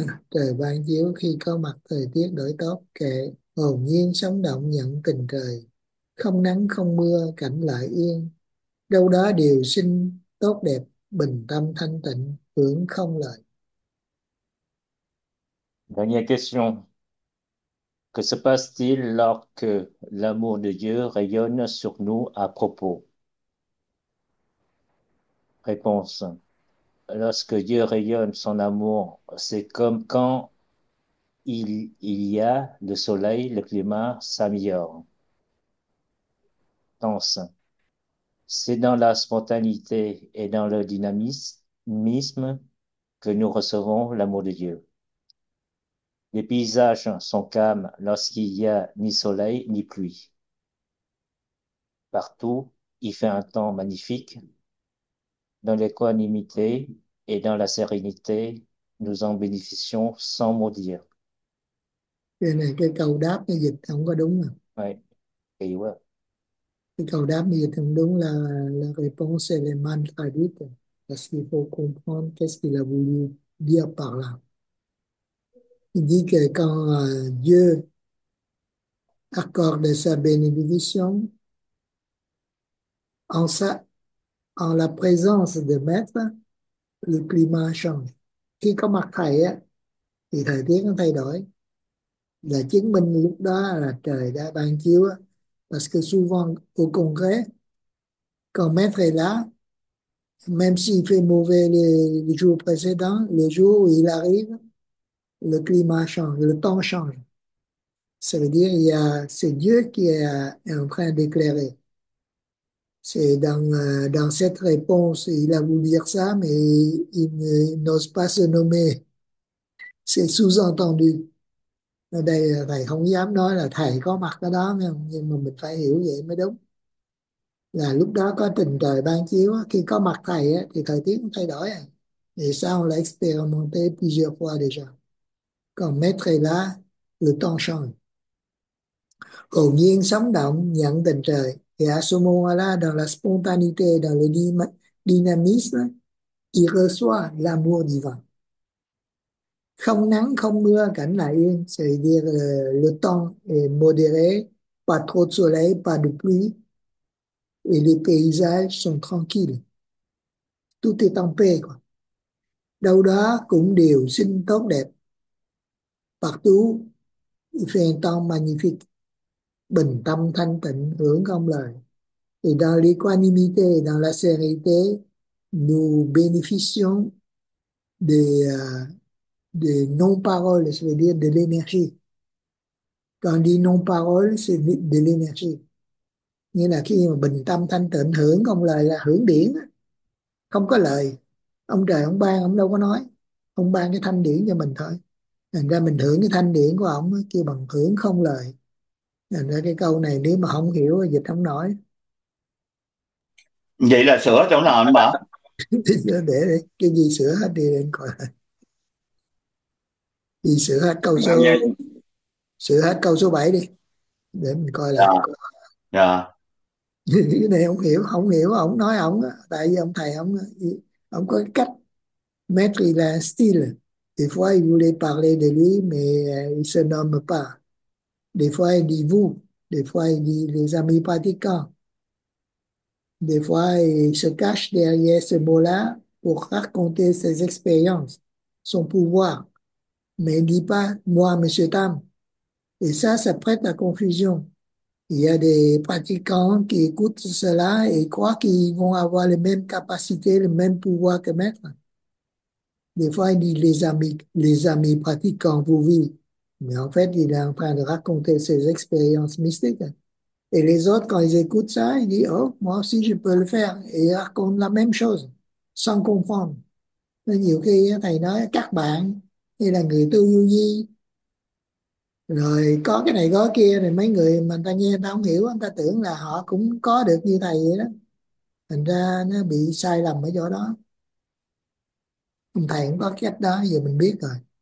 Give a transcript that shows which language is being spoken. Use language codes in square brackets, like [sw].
[vi] Trời ban chiếu khi có mặt thời tiết đổi tốt, kệ hồn nhiên sống động nhận tình trời, không nắng không mưa cảnh lại yên, đâu đó điều sinh tốt đẹp, bình tâm thanh tịnh hưởng không lợi. [fr] Dernière question. Que se passe-t-il lorsque l'amour de Dieu rayonne sur nous à propos? Réponse. Lorsque Dieu rayonne son amour, c'est comme quand il y a le soleil, le climat s'améliore. Pense. C'est dans la spontanéité et dans le dynamisme que nous recevons l'amour de Dieu. Les paysages sont calmes lorsqu'il n'y a ni soleil ni pluie. Partout, il fait un temps magnifique. Dans l'équanimité et dans la sérénité, nous en bénéficions sans mot dire. [vi] Cái này cái câu đáp nó dịch không có đúng à. [fr] Oui, [vi] kỳ quá. Cái câu đáp nó dịch không đúng là [fr] réponse élémentaire du texte. Parce qu'il faut comprendre qu'est-ce qu'il a voulu dire par là. Il dit que quand Dieu accorde sa bénédiction en la présence de maître, le climat change. [vi] Khi có mặt thầy á, thì thời tiết nó thay đổi. là chứng minh lúc đó là trời đã ban chiếu á, [fr] parce que souvent au congrès quand maître est là même s'il fait mauvais le jour précédent, le jour où il arrive le climat change, le temps change, ça veut dire il y a, c'est Dieu qui est en train d'éclairer. C'est dans cette réponse, il a voulu dire ça, mais il n'ose pas se nommer. C'est sous-entendu. [vi] Đây thầy không dám nói là thầy có mặt ở đó, nhưng mà mình phải hiểu vậy mới đúng. Là lúc đó có tình trời ban chiếu, khi có mặt thầy thì thời tiết cũng thay đổi. Thì sao lại [fr] expérimenter plusieurs fois déjà? [vi] Còn [fr] maître là le temps change. [vi] Hồn nhiên sống động nhận tình trời. [fr] Et à ce moment-là, dans la spontanéité, dans le dynamisme, il reçoit l'amour divin. [vi] Không nắng, không mưa, cảnh lại yên. [fr] C'est-à-dire, le temps est modéré, pas trop de soleil, pas de pluie. Et les paysages sont tranquilles. Tout est en paix, quoi. [vi] Đâu đó cũng đều xinh tốt đẹp. [fr] Partout, il fait un temps magnifique. [vi] Bình tâm thanh tịnh hưởng công lời. [fr] Et dans l'équanimité, dans la sérénité, nous bénéficions des non-paroles, c'est-à-dire de l'énergie. Quand on dit non-paroles, c'est de l'énergie. [vi] Nghĩa là khi mà bình tâm thanh tịnh hưởng công lời là hưởng điển, không có lời. Ông trời ông ban, ông đâu có nói. Ông ban cái thanh điển cho mình thôi. Thành ra mình hưởng cái thanh điển của ông ấy, kêu bằng hưởng không lời. Thành ra cái câu này nếu mà không hiểu dịch không nổi. Vậy là sửa chỗ nào anh bảo? Để cái gì sửa hết đi anh coi. Đi sửa hết câu Dạ. số, sửa hết câu số 7 đi. Để mình coi Dạ. lại. Cái này không hiểu, không hiểu ông nói ông, tại vì ông thầy ông có cái cách. [fr] Maître il a un style. Des fois il voulait parler de lui mais il se nomme pas. Des fois il dit vous, des fois il dit les amis pratiquants. Des fois il se cache derrière ce mot-là pour raconter ses expériences, son pouvoir. Mais il dit pas moi, monsieur Tam. Et ça prête à confusion. Il y a des pratiquants qui écoutent cela et croient qu'ils vont avoir les mêmes capacités, le même pouvoir que maître. Des fois, il dit les amis pratiquants, vous vivez. Mais en fait, il est en train de raconter ses expériences mystiques. Et les autres, quand ils écoutent ça, ils disent, oh, moi aussi, je peux le faire. Et ils racontent la même chose, sans comprendre. Mais [vi] nhiều khi, thầy nói, các bạn, hay là người tu du di, rồi có cái này có cái kia, thì mấy người mà người ta nghe, người ta không hiểu, người ta tưởng là họ cũng có được như thầy vậy đó. Thành ra nó bị sai lầm ở chỗ đó. Ông thầy cũng có cái cách đó, giờ mình biết rồi.